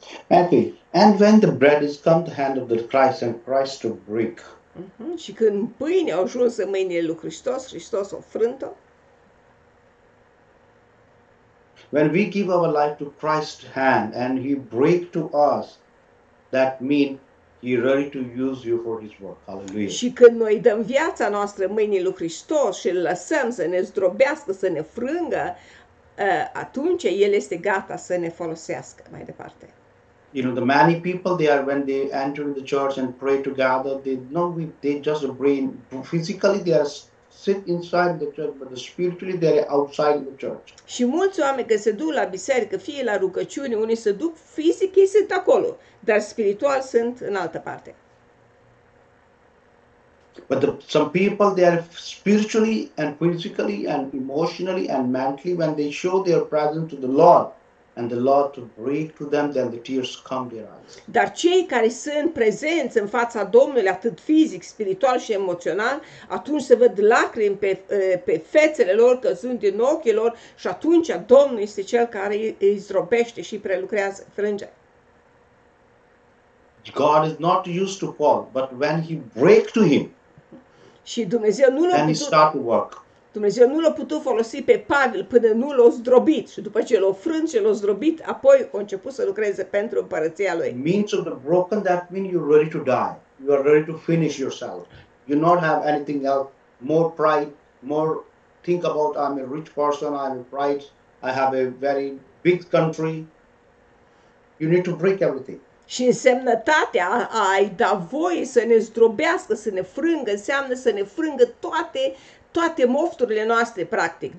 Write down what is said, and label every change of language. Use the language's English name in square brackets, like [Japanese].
[English] Matthew, and when the bread is come to hand of the Christ and Christ to break. [Romanian] Și când pâinea a ajuns în mâinile lui Hristos, Hristos a frânt-o. [English] When we give our life to Christ's hand and he break to us, that means he ready to use you for his work. Hallelujah. [Romanian] Și când noi dăm viața noastră în mâinile lui Hristos și îl lăsăm să ne zdrobească, să ne frângă, atunci el este gata să ne folosească mai departe. [English] You know, the many people they are when they enter the church and pray together, they just bring physically they are sit inside the church, but spiritually they are outside the church. [Romanian] Și mulți oameni că se duc la biserică, fie la rugăciune, unii se duc fizic, ei sunt acolo, dar spiritual sunt în altă parte. [English] But some people they are spiritually and physically and emotionally and mentally when they show their presence to the Lord and the Lord to break to them then the tears come to their eyes. [Romanian] Dar cei care sunt prezenți în fața Domnului atât fizic, spiritual și emoțional, atunci se văd lacrimi pe fețele lor, căzând din ochii lor și atunci Domnul este cel care îi zdrobește și prelucrează frânge. [English] God is not used to fall, but when he break to him. [Romanian] Și Dumnezeu nu l-a putut. Dumnezeu nu l-a putut folosi pe Pavel până nu l-a zdrobit. Și după ce l-a frânt și l-a zdrobit, apoi a început să lucreze pentru împărăția lui. [English] Means of the broken, that means you're ready to die. You are ready to finish yourself. You not have anything else, more pride, more think about I'm a rich person, I'm a pride, I have a very big country. You need to break everything. [Romanian] Și însemnătatea a-i da voie să ne zdrobească, să ne frângă, înseamnă să ne frângă toate mofturile noastre, practic.